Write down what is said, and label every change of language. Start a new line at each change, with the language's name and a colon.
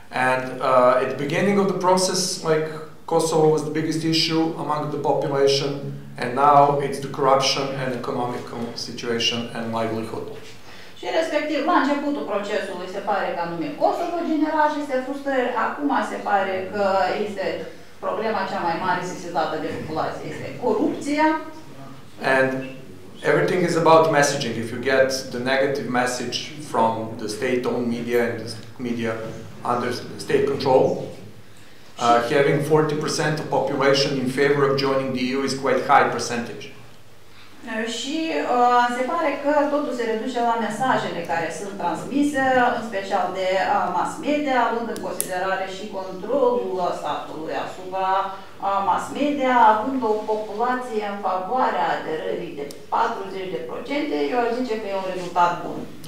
English: And at the beginning of the process, like, Kosovo was the biggest issue among the population, and now it's the corruption and economic situation and livelihood.
Romanian: Și respectiv, la începutul procesului se pare că anume Kosovo genera aceste frustrări, acum se pare că este problema cea mai mare sesizată de populație, este corupția.
English: And everything is about messaging. If you get the negative message from the state-owned media and the media under state control, having 40% of population in favor of joining the EU is quite high percentage.
Romanian: Și se pare că totul se reduce la mesajele care sunt transmise, în special de mass media, având în considerare și controlul statului asupra mass media, având o populație în favoarea aderării de 40%, eu aș zice că e un rezultat bun.